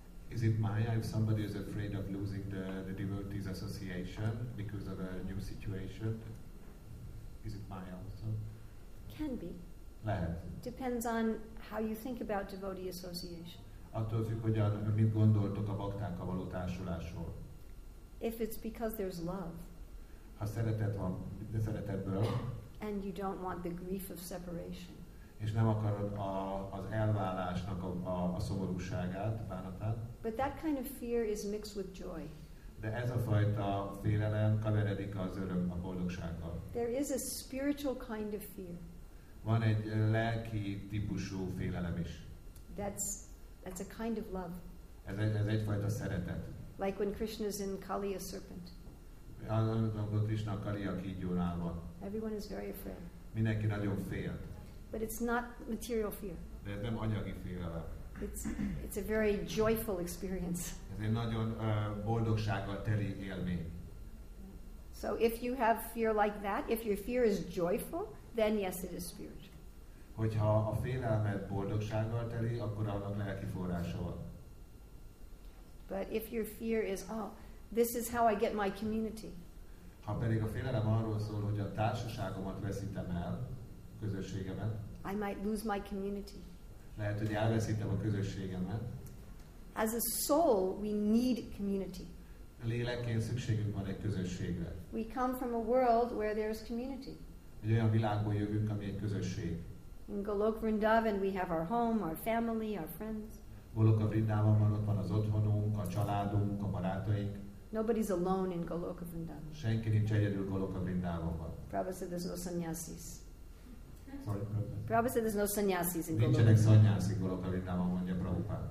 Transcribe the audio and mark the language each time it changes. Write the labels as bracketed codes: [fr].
[en] Is it Maya if somebody is afraid of losing the devotees association because of a new situation? Is it Maya also? Can be. [hu] Lehet. [en] Depends on how you think about devotee association. [hu] Attól függ, hogyan mit gondoltok a baktákkal való társulásról. [en] If it's because there's love. [hu] Ha szeretet van, de szeretetből. [en] And you don't want the grief of separation. [hu] És nem akarod az elválásnak a szomorúságát, bánatát. [en] But that kind of fear is mixed with joy. [hu] De ez a fajta félelem keveredik az öröm, a boldogsággal. [en] There is a spiritual kind of fear. [hu] Van egy lelki típusú félelem is. [en] That's a kind of love. [hu] Ez egyfajta szeretet. [en] Like when Krishna's in Kali, a serpent. [hu] Amikor Krishna Kali a kígyónál van. [en] Everyone is very afraid. [hu] Mindenki nagyon fél. [en] But it's not material fear. [hu] De ez nem anyagi félelem. [en] It's a very joyful experience. [hu] Ez egy nagyon boldogsággal teli élmény. [en] So if you have fear like that, if your fear is joyful, then yes, it is spiritual. [hu] Hogyha a félelmed boldogsággal teli, akkor annak lelki forrása van. [en] But if your fear is, oh, this is how I get my community. [hu] Ha pedig a félelem arról szól, hogy a társaságomat veszítem el, a közösségemet. [en] I might lose my community. [hu] Lehet, hogy elveszítem a közösségemet. [en] As a soul, we need community. [hu] Lélekként szükségünk van egy közösségre. [en] We come from a world where there is community. [hu] Egy olyan világból jövünk, ami egy közösség. [en] In Golok Vrindavan, we have our home, our family, our friends. [hu] Golok Vrindavanban ott van az otthonunk, a családunk, a barátaink. [en] Nobody's alone in Golok Vrindavan. [hu] Senki nincs egyedül Golok Vrindavanban. [en] Prabhupada said there's no sannyasis. Sorry, Prabhupada said there's no sannyasis in Goloka. [hu] Nincsenek szanyászik Goloka Vrindában, mondja Prabhupada.